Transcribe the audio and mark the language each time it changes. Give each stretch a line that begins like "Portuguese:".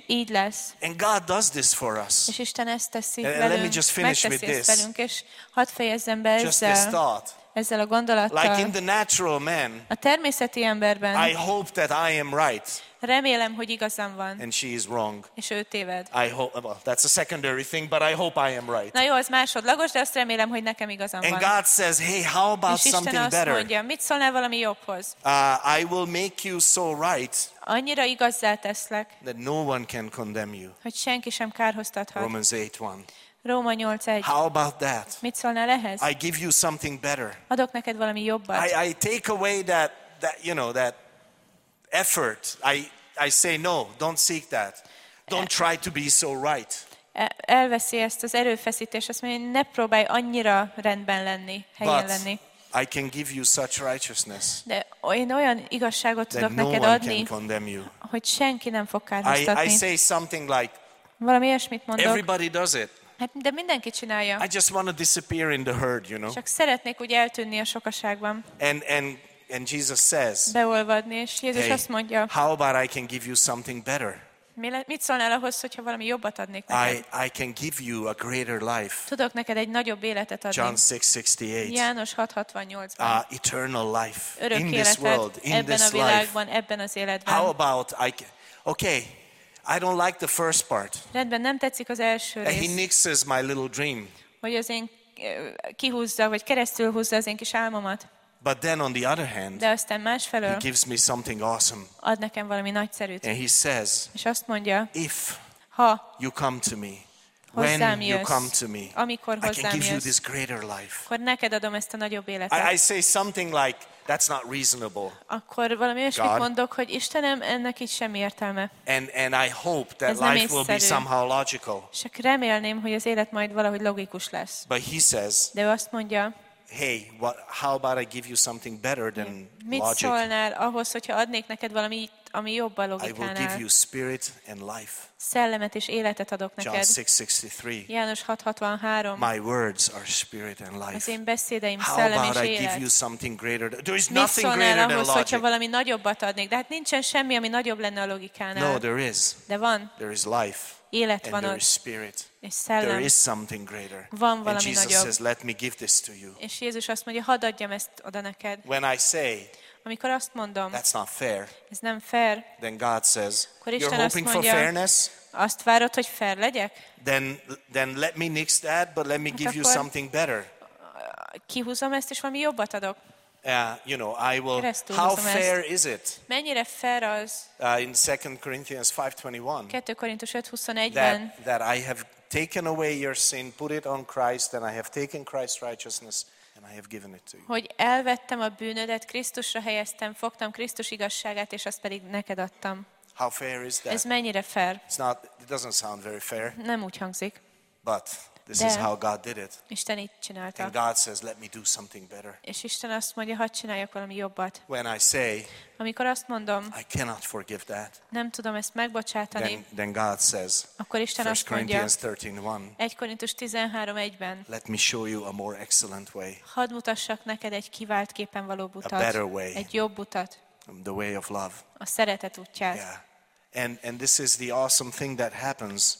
Hungarian: Így lesz.
English: And God does this for us.
Hungarian: És Isten ezt teszi velünk.
English: And let me just finish with this.
Hungarian: Velünk, és hadd fejezzem be ezzel a gondolattal.
English: Like in the natural man,
Hungarian: a természeti emberben,
English: I hope that I am right.
Hungarian: Remélem, hogy igazam van.
English: And she is wrong.
Hungarian: És ő téved.
English: I hope, well, that's a secondary thing, but I hope I am right.
Hungarian: Na jó, ez másodlagos, de azt remélem, hogy nekem igazam van.
English: And God says, hey, how about something better?
Hungarian: És Isten azt mondja, mit szólnál valami jobbhoz?
English: I will make you so right.
Hungarian: Annyira igazzá teszlek,
English: that no one can condemn you.
Hungarian: Hogy senki sem kárhoztathat.
English: Romans 8:1.
Hungarian: Róma 8:1.
English: How about that?
Hungarian: Mit szólnál ehhez?
English: I give you something better.
Hungarian: Adok neked valami jobbat.
English: I take away that you know that effort. I say no, don't seek that. Don't try to be so right.
Hungarian: Elveszi ezt az erőfeszítés, azt mondja, ne próbálj annyira rendben lenni, helyen lenni.
English: I can give you such righteousness.
Hungarian: De én olyan igazságot tudok neked adni, hogy senki nem fog kárhoztatni.
English: I say something like,
Hungarian: valami ilyesmit mondok.
English: Everybody does it.
Hungarian: Hát, de mindenki csinálja.
English: I just want to disappear in the herd, you know.
Hungarian: Csak szeretnék úgy eltűnni a sokaságban.
English: And Jesus says,
Hungarian: beolvadni, és Jézus
English: hey,
Hungarian: azt mondja,
English: how about I can give you something better?
Hungarian: Mit szólnál ahhoz, hogyha valami jobbat adnék neked?
English: I can give you a greater life.
Hungarian: Tudok neked egy nagyobb életet adni.
English: John 6:68.
Hungarian: János 6:68.
English: Eternal life.
Hungarian: Örök
English: in this
Hungarian: életed,
English: world, in
Hungarian: ebben
English: this
Hungarian: a világban,
English: life.
Hungarian: Ebben az életben.
English: How about I can, okay, I don't like the first part.
Hungarian: Rendben, nem tetszik az első rész.
English: He nixes my little dream.
Hungarian: Hogy az én kihúzza, vagy keresztül húzza az én kis álmomat.
English: But then on the other hand,
Hungarian: de aztán másfelől,
English: he gives me something awesome.
Hungarian: Ad nekem valami nagyszerűt.
English: And he says,
Hungarian: és azt mondja,
English: if
Hungarian: ha
English: you come to me, when you come to me,
Hungarian: amikor hozzám jössz,
English: I can give you this greater life.
Hungarian: Akkor neked adom ezt a nagyobb életet.
English: I say something like, that's not reasonable.
Hungarian: Akkor valami olyasmit mondok, hogy Istenem, ennek itt semmi értelme.
English: And I hope that life will be somehow logical.
Hungarian: Csak remélném, hogy az élet majd valahogy logikus lesz.
English: But he says,
Hungarian: de azt mondja,
English: hey, what, how about I give you something better than
Hungarian: mit
English: logic?
Hungarian: Szólnál ahhoz, hogyha adnék neked valami, ami jobb a logikánál?
English: I will give you spirit and life.
Hungarian: Szellemet és életet adok neked.
English: John 6:63.
Hungarian: János 6:63.
English: My words are spirit and life.
Hungarian: Az én beszédeim
English: how
Hungarian: szellem
English: about
Hungarian: és élet.
English: I give you something greater? There is
Hungarian: mit
English: nothing
Hungarian: szólnál
English: greater
Hungarian: ahhoz,
English: than logic.
Hungarian: Hogyha valami nagyobbat adnék? De hát nincsen semmi, ami nagyobb lenne a logikánál.
English: No, there is.
Hungarian: De van.
English: There is life.
Hungarian: Élet
English: and
Hungarian: van
English: there
Hungarian: ott.
English: Is spirit.
Hungarian: És szellem.
English: There is something greater.
Hungarian: Van valami
English: and Jesus
Hungarian: nagyobb.
English: Says, let me give this to you.
Hungarian: És Jézus azt mondja, hadd adjam ezt oda neked.
English: When I say,
Hungarian: amikor azt mondom,
English: that's not fair,
Hungarian: ez nem fair,
English: then God says,
Hungarian: akkor Isten
English: you're hoping
Hungarian: azt mondja,
English: for fairness?
Hungarian: Azt várod, hogy fair legyek?
English: Then let me nix that, but let me
Hungarian: hát
English: give you something better.
Hungarian: Kihúzom ezt, és valami jobbat adok.
English: You know, I will. How fair is it?
Hungarian: Mennyire fair az?
English: In 2 Corinthians 5:21.
Hungarian: 2 Korintus 5:21.
English: That I have taken away your sin, put it on Christ, and I have taken Christ's righteousness, and I have given it to you.
Hungarian: Hogy elvettem a bűnödet, Krisztusra helyeztem, fogtam Krisztus igazságát, és azt pedig neked adtam.
English: How fair is that?
Hungarian: Ez mennyire fair?
English: It's not. It doesn't sound very fair.
Hungarian: Nem úgy hangzik.
English: But. This is how God did it.
Hungarian: Isten így csinálta.
English: And God says, "Let me do something better."
Hungarian: És Isten azt mondja, hadd csináljak valami jobbat.
English: When I say,
Hungarian: amikor azt mondom,
English: I cannot forgive that.
Hungarian: Nem tudom ezt megbocsátani.
English: Then God says,
Hungarian: akkor Isten azt mondja, 1 Korintus 13:1-ben,
English: "Let me show you a more excellent way."
Hungarian: Hadd mutassak neked egy kivált képen való utat.
English: A better way.
Hungarian: Egy jobb utat.
English: The way of love.
Hungarian: A szeretet útját.
English: Yeah. And this is the awesome thing that happens.